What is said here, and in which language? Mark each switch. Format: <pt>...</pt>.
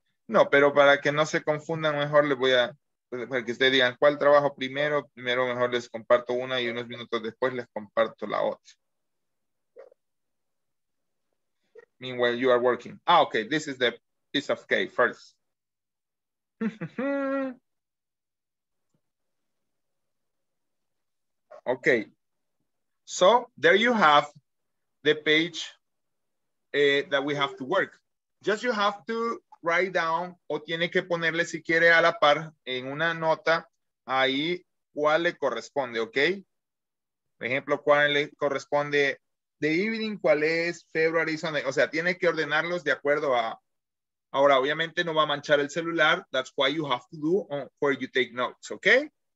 <es>No, pero para que no se confundan, mejor les voy a... Para que ustedes digan cuál trabajo primero, primero mejor les comparto una y unos minutos después les comparto la otra.</es> <en>Meanwhile, you are working. Ah, okay, this is the piece of cake first. Okay, so there you have the page that we have to work. Just you have to write down,</en> <es>o tiene que ponerle si quiere a la par en una nota ahí cuál le corresponde, ok. Por ejemplo, cuál le corresponde</es> <en>the evening,</en> <es>cuál es February Sunday. O sea, tiene que ordenarlos de acuerdo a. Ahora, obviamente, no va a manchar el celular.</es> <en>That's why you have to do on where you take notes, ok.</en>